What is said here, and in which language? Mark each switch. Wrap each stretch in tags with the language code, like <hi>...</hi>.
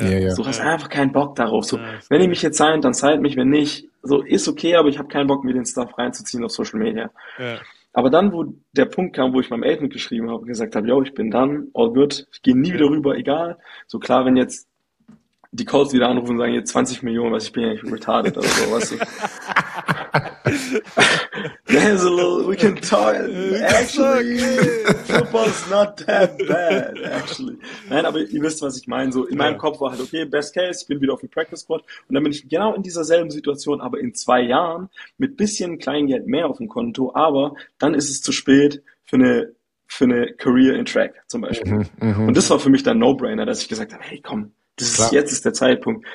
<de>So, hast einfach keinen Bock darauf. So, wenn ihr mich jetzt seid, dann seid mich, wenn nicht, so, ist okay, aber ich habe keinen Bock, mir den Stuff reinzuziehen auf Social Media. Aber dann, wo der Punkt kam, wo ich meinem Agent geschrieben habe und gesagt habe, yo, ich bin dann,</de> <en>all good,</en> <de>ich gehe nie wieder rüber, egal. So, klar, wenn jetzt die Calls wieder anrufen und sagen, jetzt 20 Millionen, weiß ich bin ja nicht retarded oder so, weißt du.</de> <en>There's a little, we can talk. Actually, football's not that bad, actually.</en> <de>Nein, aber ihr wisst, was ich meine. So, in meinem Kopf war halt, okay, best case, ich bin wieder auf dem Practice Squad. Und dann bin ich genau in dieser selben Situation, aber in 2 Jahren, mit bisschen Kleingeld mehr auf dem Konto, aber dann ist es zu spät für eine Career in Track, zum Beispiel. Und das war für mich dann No-Brainer, dass ich gesagt habe, hey, komm, jetzt ist der Zeitpunkt.</de>